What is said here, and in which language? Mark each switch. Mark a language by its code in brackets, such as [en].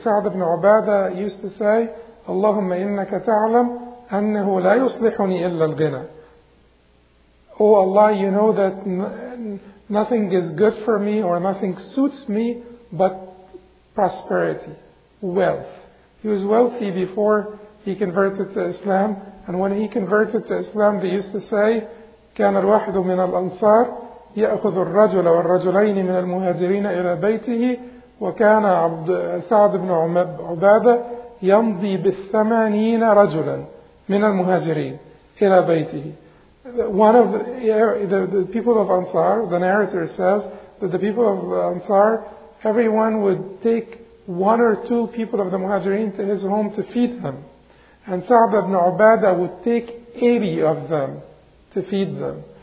[en] Sa'd ibn Ubadah used to say, [ar] Allahumma innaka ta'lam annahu la yuslihuni illa al-ghina. [en] Oh Allah, you know that nothing is good for me or nothing suits me but prosperity, wealth. He was wealthy before he converted to Islam. And when he converted to Islam, they used to say, [ar] كَانَ الْوَحْدُ مِنَ الْأَنصَارِ يَأْخُذُ الرَّجُلَ وَالرَّجُلَيْنِ مِنَ الْمُهَاجِرِينَ إِلَى بَيْتِهِ وَكَانَ سَعْدُ بْنُ عُبَادَةَ يَمْضِي بِالثَّمَانِينَ رَجُلًا مِنَ الْمُهَاجِرِينَ إِلَى بَيْتِهِ. [en] One of the people of Ansar, the narrator says that the people of Ansar, everyone would take one or two people of the Muhajirin to his home to feed them. And Sa'd ibn Ubadah would take 80 of them to feed them.